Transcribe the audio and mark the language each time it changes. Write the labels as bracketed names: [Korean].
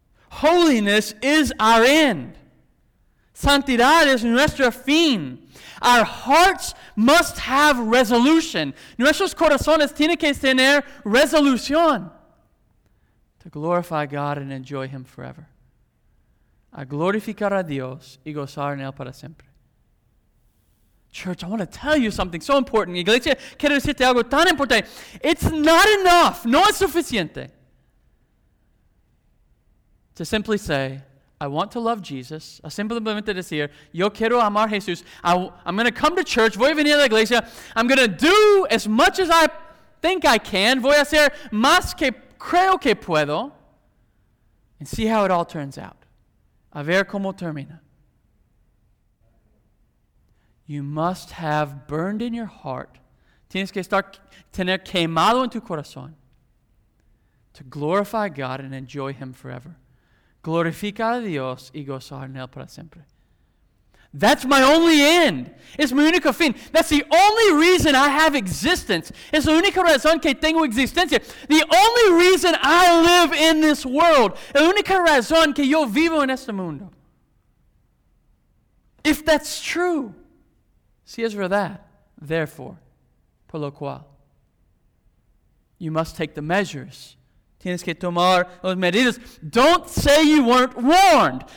[English] Holiness is our end. [Spanish] Santidad is nuestro fin. [English] Our hearts must have resolution. [Spanish] Nuestros corazones tienen que tener resolución. [English] To glorify God and enjoy Him forever. [Spanish] A glorificar a Dios y gozar en Él para siempre. [English] Church, I want to tell you something so important. [Spanish] Iglesia, quiero decirte algo tan importante. [English] It's not enough. [Spanish] No es suficiente. [English] To simply say, I want to love Jesus. [Spanish] A simplemente decir, yo quiero amar Jesús. [English] I'm going to come to church. [Spanish] Voy a venir a la iglesia. [English] I'm going to do as much as I think I can. [Spanish] Voy a hacer más que creo que puedo. [English] And see how it all turns out. [Spanish] A ver cómo termina. [English] You must have burned in your heart. [Spanish] Tienes que estar tener quemado en tu corazón. [English] To glorify God and enjoy Him forever. [Spanish] Glorifica a Dios y gozar en Él para siempre. [English] That's my only end. [Spanish] Es mi único fin. [English] That's the only reason I have existence. [Spanish] Es la única razón que tengo existencia. [English] The only reason I live in this world. [Spanish] La única razón que yo vivo en este mundo. [English] If that's true. [Spanish] Si es verdad. [English] Therefore. [Spanish] Por lo cual. [English] You must take the measures [Spanish] Tienes que tomar las medidas. [English] Don't say you weren't warned.